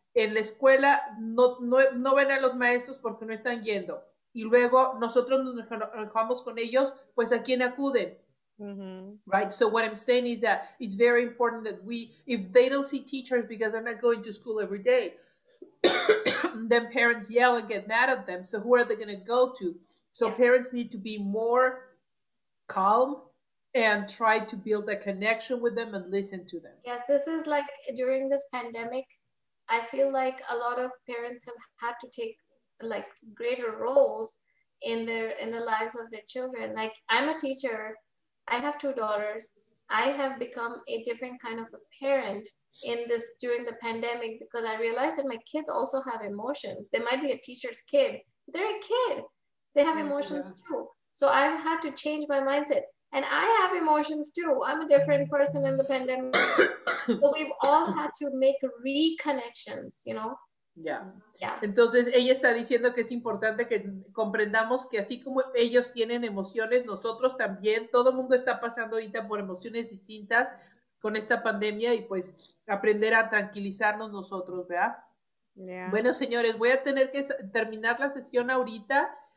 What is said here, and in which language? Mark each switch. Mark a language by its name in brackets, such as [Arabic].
[Spanish] en la escuela no ven a los maestros porque no están yendo. Y luego nosotros nos enojamos con ellos, pues ¿a quién acuden? [English] Mm-hmm. Right? So what I'm saying is that it's very important that we, if they don't see teachers because they're not going to school every day, then parents yell and get mad at them. So who are they going to go to? So yeah. Parents need to be more calm and try to build a connection with them and listen to them. Yes, this is like during this pandemic, I feel like a lot of parents have had to take like greater roles in the lives of their children. Like I'm a teacher, I have two daughters. I have become a different kind of a parent in this during the pandemic because I realized that my kids also have emotions. They might be a teacher's kid, but they're a kid. They have emotions too. So I've had to change my mindset. And I have emotions too. I'm a different person in the pandemic. But we've all had to make reconnections, you know? Yeah. [Spanish] Entonces, ella está diciendo que es importante que comprendamos que así como ellos tienen emociones, nosotros también, todo el mundo está pasando ahorita por emociones distintas con esta pandemia y pues aprender a tranquilizarnos nosotros, ¿verdad? Yeah. Bueno, señores, voy a tener que terminar la sesión ahorita.